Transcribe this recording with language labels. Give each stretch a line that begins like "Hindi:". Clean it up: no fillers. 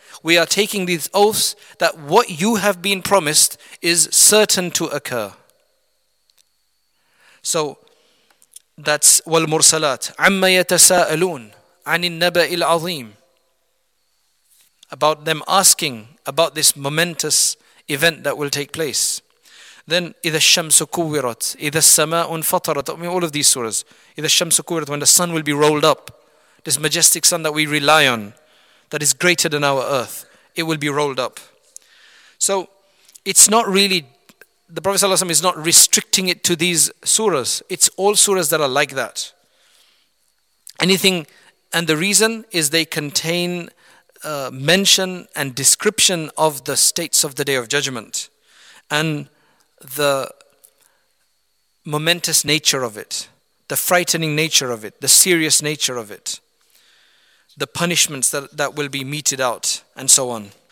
English: We are taking these oaths that what you have been promised is certain to occur. So, that's والمرسلات.
Arabic: عَمَّ يَتَسَاءَلُونَ عَنِ النَّبَإِ الْعَظِيمِ.
English: About them asking about this momentous event that will take place. Then,
Arabic: إِذَا الشَّمْسُ كُوِّرَتْ إِذَا السَّمَاءُ انْفَطَرَتْ.
English: I mean, all of these surahs.
Arabic: إِذَا الشَّمْسُ كُوِّرَتْ.
English: When the sun will be rolled up. This majestic sun that we rely on, that is greater than our earth, it will be rolled up. So it's not really, the Prophet ﷺ is not restricting it to these surahs. It's all surahs that are like that. Anything, and the reason is they contain mention and description of the states of the Day of Judgment and the momentous nature of it, the frightening nature of it, the serious nature of it, the punishments that will be meted out, and so on.